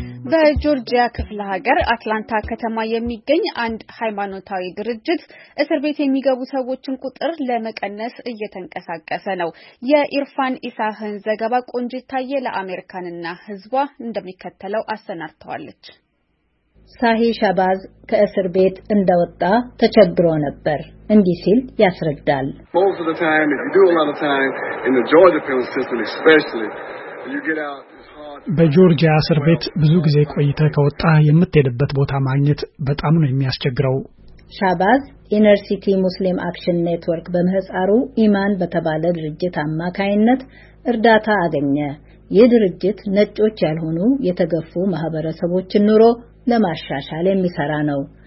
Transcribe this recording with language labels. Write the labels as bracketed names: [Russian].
[Amharic] በጆርጂያ ክፍለ ሀገር አትላንታ ከተማ የሚገኝ አንድ ሃይማኖታዊ ድርጅት እስር ቤት የሚገቡ ሰዎችን ቁጥር ለመቀነስ እየተንቀሳቀሰ ነው። የኢርፋን ኢሳህን ዘገባ ቆንጅታዬ ለአሜሪካንና ህዝቧ እንደሚከተለው አሰናድተዋለች። ሳሂ ሻባዝ ከእስር ቤት እንደወጣ ተቸግሮ ነበር። እንዲህ ሲል ያስረዳል። [English] Most of the time, if you do a lot of time in the Georgia penal system especially, you get out. [Amharic] በጆርጂያ እስር ቤት ብዙ ጊዜ ቆይተ ከወጣ የምትሄድበት ቦታ ማግኘት በጣም ነው የሚያስቸግረው። ሻባዝ ኢነር ሲቲ ሙስሊም አክሽን ኔትወርክ በመህፃሩ ኢማን በተባለ ድርጅት አማካይነት እርዳታ አገኘ። ይህ ድርጅት ነጮች ያልሆኑ የተገፉ ማህበረሰቦችን ኑሮ ለማሻሻል የሚሰራ ነው።